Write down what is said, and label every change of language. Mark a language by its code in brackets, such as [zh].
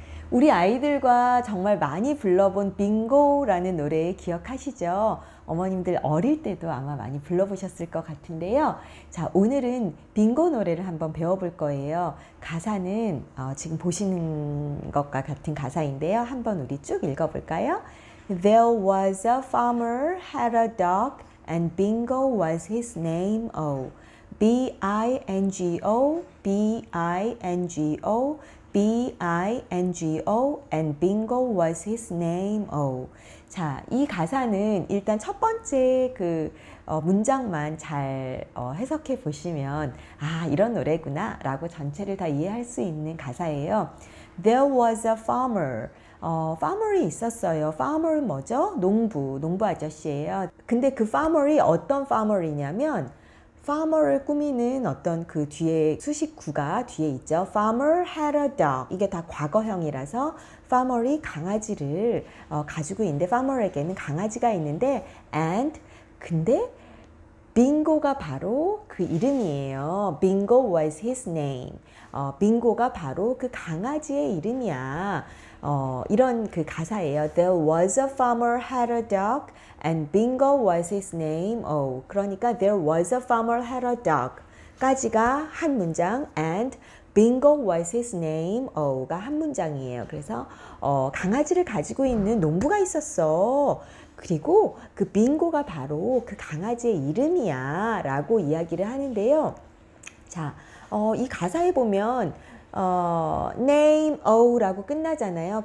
[ko] 우리 아이들과 정말 많이 불러본 빙고라는 노래 기억하시죠? 어머님들 어릴 때도 아마 많이 불러보셨을 것 같은데요. 자, 오늘은 빙고 노래를 한번 배워볼 거예요. 가사는 지금 보시는 것과 같은 가사인데요. 한번 우리 쭉 읽어볼까요? [en] There was a farmer had a dog and Bingo was his name. Oh, B-I-N-G-O, B-I-N-G-O, B-I-N-G-O and Bingo was his name. Oh. [ko] 자, 이 가사는 일단 첫 번째 그 문장만 잘 해석해 보시면 아, 이런 노래구나 라고 전체를 다 이해할 수 있는 가사예요. [en] There was a farmer. Farmer [ko] 이 있었어요. Farmer은 뭐죠? 농부, 농부 아저씨예요. 근데 그 farmer이 어떤 farmer이냐면 farmer을 꾸미는 어떤 그 뒤에 수식구가 뒤에 있죠. [en] Farmer had a dog. [ko] 이게 다 과거형이라서 farmer이 강아지를 가지고 있는데 farmer에게는 강아지가 있는데 and 근데 Bingo가 바로 그 이름이에요. [en] Bingo was his name. [ko] Bingo가 바로 그 강아지의 이름이야. 이런 그 가사예요. [en] There was a farmer had a dog and Bingo was his name. Oh, [ko] 그러니까 [en] there was a farmer had a dog [ko] 까지가 한 문장 [en] and Bingo was his name. [ko] Oh,가 한 문장이에요. 그래서 강아지를 가지고 있는 농부가 있었어. 그리고 그 빙고가 바로 그 강아지의 이름이야 라고 이야기를 하는데요. 자, 이 가사에 보면 name o 라고 끝나잖아요.